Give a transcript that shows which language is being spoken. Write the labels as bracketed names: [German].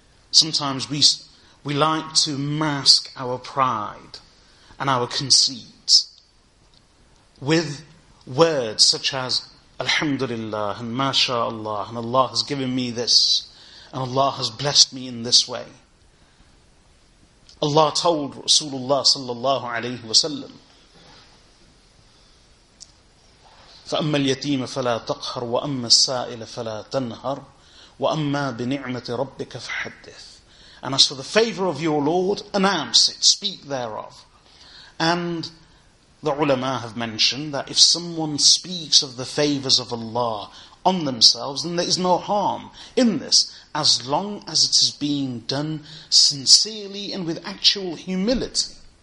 [English] Sometimes we like to mask our pride and our conceit with words such as Alhamdulillah and MashaAllah, and Allah has given me this, and Allah has blessed me in this way. [Arabic] Allah told Rasulullah sallallahu alayhi wa sallam, فَأَمَّا الْيَتِيمَ فَلَا تَقْهَرْ وَأَمَّا السَّائِلَ فَلَا تَنْهَرْ وَأَمَّا بِنِعْمَةِ رَبِّكَ فَحَدِّثْ. [English] And as for the favor of your Lord, announce it, speak thereof. And the ulama have mentioned that if someone speaks of the favors of Allah on themselves, then there is no harm in this, as long as it is being done sincerely and with actual humility.